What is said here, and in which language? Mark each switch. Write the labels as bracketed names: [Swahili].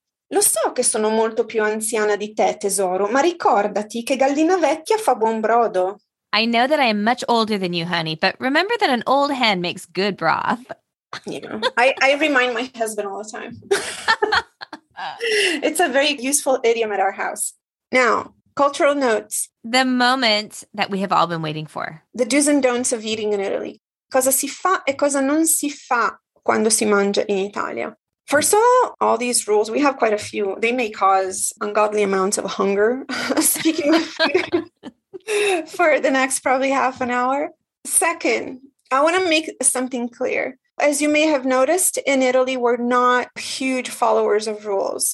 [Italian] Lo so che sono molto più anziana di te, tesoro, ma ricordati che gallina vecchia fa buon brodo. [English] I know that I am much older than you, honey, but remember that an old hen makes good broth. Yeah, I remind my husband all the time. It's a very useful idiom at our house. Now, cultural notes. The moment that we have all been waiting for. The do's and don'ts of eating in Italy. [Italian] Cosa si fa e cosa non si fa quando si mangia in Italia. [English] First of all these rules, we have quite a few. They may cause ungodly amounts of hunger, speaking of food, for the next probably half an hour. Second, I want to make something clear. As you may have noticed, in Italy, we're not huge followers of rules.